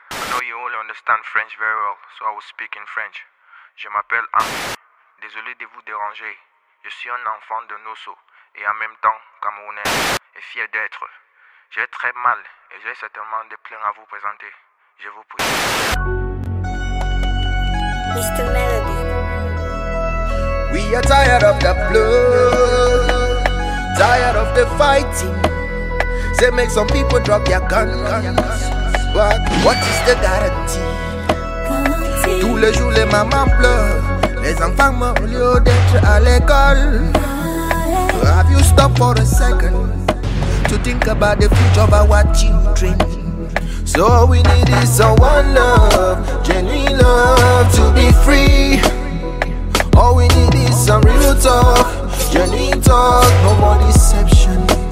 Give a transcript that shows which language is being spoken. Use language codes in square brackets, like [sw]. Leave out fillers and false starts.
[en] I know you all understand French very well, so I will speak in French. [fr] Je m'appelle Henri. Désolé de vous déranger. Je suis un enfant de Nosso et en même temps Camerounais et fier d'être. J'ai très mal et j'ai certainement des plaintes à vous présenter. Je vous prie. [en] Mr. Melody. We are tired of the blood, tired of the fighting. They make some people drop their guns. But what is the guarantee? [fr] Tous les jours les mamans pleurent, les enfants meurent au lieu d'être à l'école. [en] Have you stopped for a second to think about the future of our children? So all we need is someone love, genuine love to be free. All we need is some real talk, genuine talk, no more deception.